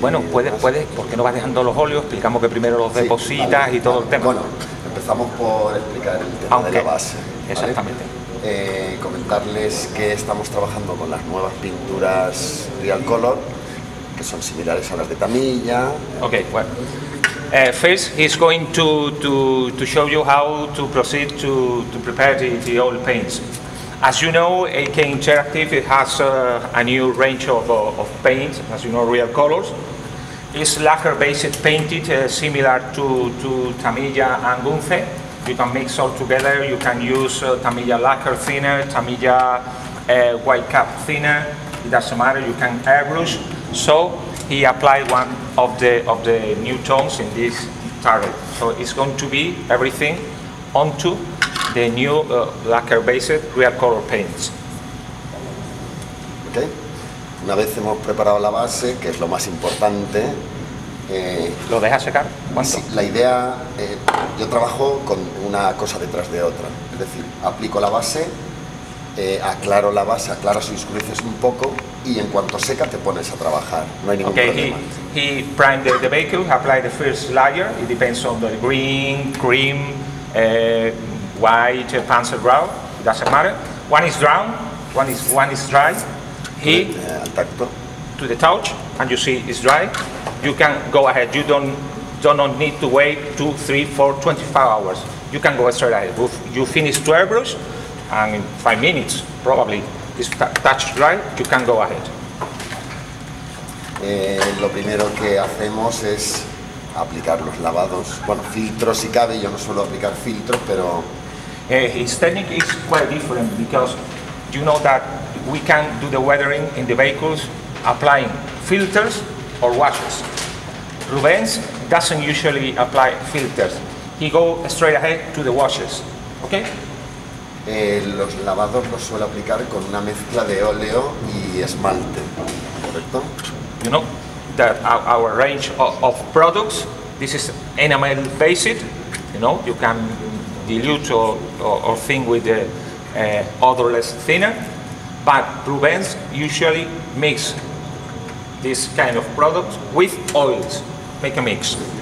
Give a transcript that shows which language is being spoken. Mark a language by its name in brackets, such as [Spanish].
[Spanish] Bueno, puede, porque no vas dejando los óleos, explicamos que primero los depositas, sí, vale, y todo, vale, el tema. Bueno, empezamos por explicar el tema, okay, de la base. ¿Vale? Exactamente. Comentarles que estamos trabajando con las nuevas pinturas Real Color, que son similares a las de Tamiya. Ok, bueno. [English] First, he's going to show you how to proceed to prepare the old paints. As you know, AK Interactive, it has a new range of paints, as you know, Real Colors. It's lacquer-based painted, similar to Tamiya and Gunfe. You can mix all together. You can use Tamiya lacquer thinner, Tamiya white cap thinner. It doesn't matter. You can airbrush. So he applied one of the new tones in this turret. So it's going to be everything onto the new lacquer-based Real Color paints. Okay. [Spanish] Una vez hemos preparado la base, que es lo más importante. ¿Lo deja secar? ¿Cuánto? Sí, la idea, yo trabajo con una cosa detrás de otra. Es decir, aplico la base, aclaro la base, aclaro sus cruces un poco, y en cuanto seca te pones a trabajar. No hay ningún okay, problema. [English] He primed the vehicle, apply the first layer. It depends on the green, cream, white, panzer brown. It doesn't matter. One is dry. He [Spanish] al tacto. [English] To the touch, and you see it's dry. You can go ahead. You don't need to wait 2, 3, 4, 25 hours. You can go straight ahead. You finish to airbrush, and in 5 minutes probably is touch dry. You can go ahead. [Spanish] Lo primero que hacemos es aplicar los lavados, bueno, filtros si cabe. Yo no suelo aplicar filtros, pero [English] his technique is quite different, because you know that we can do the weathering in the vehicles applying filters or washes. Rubens doesn't usually apply filters. He go straight ahead to the washes. Okay. [Spanish] Los lavados los suelo aplicar con una mezcla de óleo y esmalte. Correcto. [English] You know that our range of products, this is enamel based, you know, you can dilute or thing with the odorless thinner, but Rubens usually mix this kind of product with oils, make a mix.